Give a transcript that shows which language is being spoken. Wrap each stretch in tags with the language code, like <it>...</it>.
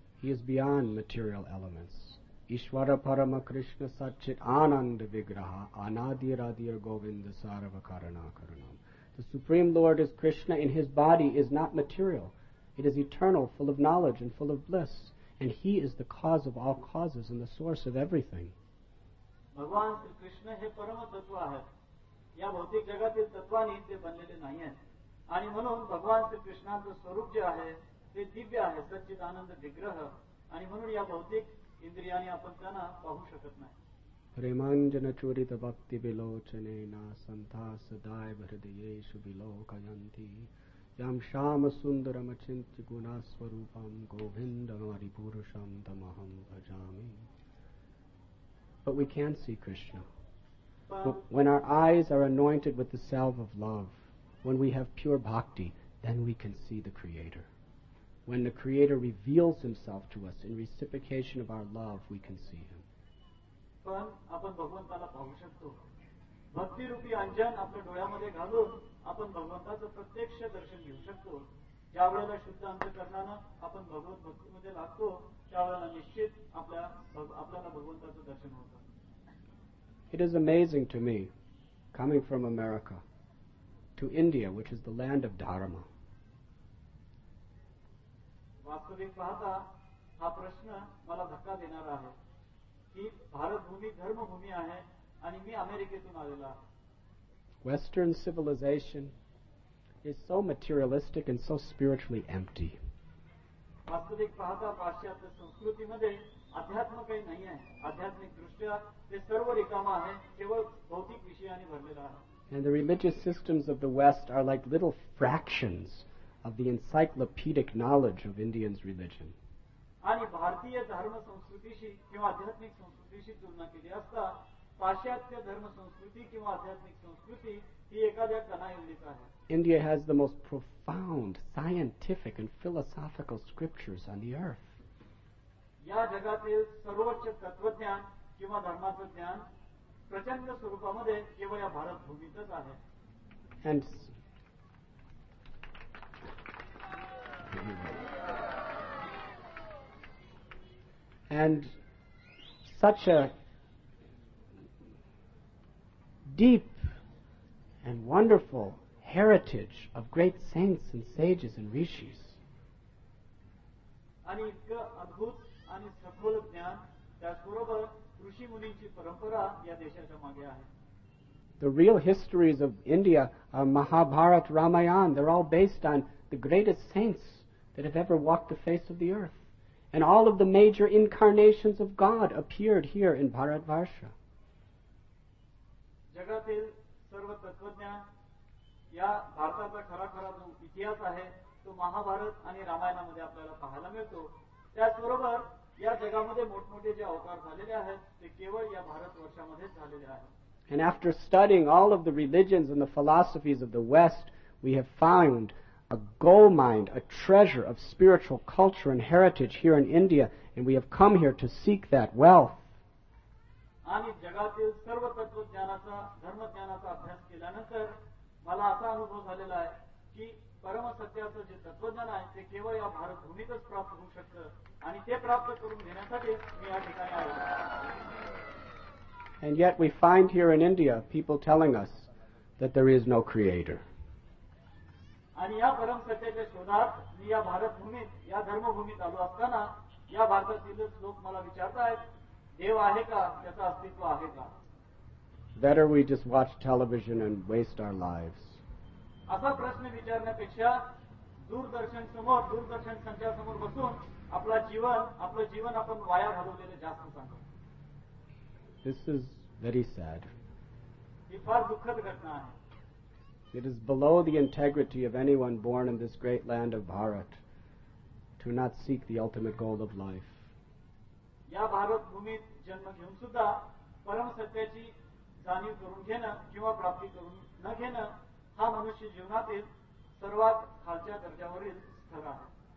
<en>He is beyond material elements.</en> <sa>Ishvara Parama Krishna Satchit Ananda Vigraha Anadir Adir Govinda Sarva Karana Karanam.</sa> <en>The Supreme Lord is Krishna, and his body is not material. It is eternal, full of knowledge and full of bliss. And he is the cause of all causes and the source of everything.</en> <hi>Bhagavan Sri Krishna hai Parama Tattva hai.</hi> <mr>या भौतिक जगातील तत्वांनी ते बनलेले नाही आहे आणि म्हणून भगवान श्री कृष्णाचं स्वरूप जे आहे ते दिव्य आहे, सच्चित आनंद विग्रह, आणि म्हणून या भौतिक इंद्रियाने आपण त्यांना पाहू शकत नाही.</mr> <sa>प्रेमांजन चोरित भक्ति विलोचने संता सदाय हृदय विलोकयंती यां श्याम Sundaram चिंत गुणास्वरूपम Govind हरिपुरुषम तमहं भजामि.</sa> <en>But we can see Krishna. When our eyes are anointed with the salve of love, when we have pure bhakti, then we can see the Creator. When the Creator reveals Himself to us in reciprocation of our love, we can see Him.</en> <mr>पण आपण भगवंताला पाहू शकतो. भक्तिरूपी अंजन आपल्या डोळ्यामध्ये घालून आपण भगवंताचं प्रत्यक्ष दर्शन घेऊ शकतो. ज्या वेळेला शुद्ध अंतकरणानं आपण भगवत भक्तीमध्ये लागतो त्यावेळेला निश्चित आपल्याला भगवंताचं दर्शन होतं.</mr> <en>It is amazing to me, coming from America to India, which is the land of Dharma.</en> <mr>वास्तविक पाहता हा प्रश्न मला धक्का देणार आहे की भारत भूमी धर्मभूमी आहे आणि मी अमेरिकेतून आलेला आहे.</mr> <en>Western civilization is so materialistic and so spiritually empty.</en> <mr>वास्तविक पाहता पाश्चात्य संस्कृतीमध्ये अध्यात्म काही नाही आहे. आध्यात्मिक दृष्ट्या ते सर्व रिकामा आहे, केवळ भौतिक विषयाने भरलेला आहे.</mr> <en>And the religious systems of the West are like little fractions of the encyclopedic knowledge of Indians' religion.</en> <mr>आणि भारतीय धर्म संस्कृतीशी किंवा आध्यात्मिक संस्कृतीशी तुलना केली असता पाश्चात्य धर्म संस्कृती किंवा आध्यात्मिक संस्कृती ही एखाद्या कणाएवढीच आहे.</mr> <en>India has the most profound scientific and philosophical scriptures on the earth.</en> <mr>या जगातील सर्वोच्च तत्वज्ञान किंवा धर्माचं ज्ञान प्रचंड स्वरूपामध्ये केवळ या भारत भूमीतच आहे.</mr> <en>And such a deep and wonderful heritage of great saints and sages and rishis.</en> <mr>आणि इतकं अद्भुत आणि सखोल ज्ञान त्याचबरोबर ऋषी मुनींची परंपरा या देशाच्या मागे आहे.</mr> <en>The real histories of India are Mahabharata, Ramayana. They're all based on the greatest saints that have ever walked the face of the earth. And all of the major incarnations of God appeared here in Bharatvarsha.</en> <mr>जगातील सर्व तत्वज्ञान या भारताचा खरा खरा जो इतिहास आहे तो महाभारत आणि रामायणामध्ये आपल्याला पाहायला मिळतो. त्याचबरोबर या जगामध्ये मोठमोठे जे अवतार झालेले आहेत ते केवळ या भारतवर्षामध्येच झालेले आहे.</mr> <en>And after studying all of the religions and the philosophies of the West, we have found a gold mine, a treasure of spiritual culture and heritage here in India, and we have come here to seek that wealth.</en> <mr>आणि जगातील सर्व तत्वज्ञानाचा धर्मज्ञानाचा अभ्यास केल्यानंतर मला असा अनुभव झालेला आहे की परमसत्याचं जे तत्वज्ञान आहे ते केवळ या भारतभूमीतच प्राप्त होऊ शकतं आणि ते प्राप्त करून घेण्यासाठी मी या ठिकाणी आलो.</mr> <en>And yet we find here in India people telling us that there is no creator.</en> <mr>आणि या परम सत्याच्या शोधात मी या भारतभूमीत या धर्मभूमीत आलो असताना या भारतातीलच लोक मला विचारत आहेत देव आहे का, त्याचं अस्तित्व आहे का.</mr> <en>Better we just watch television and waste our lives.</en> <mr>असा प्रश्न विचारण्यापेक्षा दूरदर्शन समोर दूरदर्शन संचासमोर बसून आपलं जीवन आपण वाया घालवलेलं जास्त सांगतो.</mr> <en>This is very sad.</en> <mr>ही फार दुःखद घटना आहे.</mr> <en>It is below the integrity of anyone born in this great land of Bharat to not seek the ultimate goal of life.</en> <mr>या भारत भूमीत जन्म घेऊन सुद्धा परम सत्याची जाणीव करून घेणं किंवा प्राप्ती करून न घेणं हा मनुष्य जीवनातील सर्वात खालच्या दर्जावरील स्तर आहे.</mr>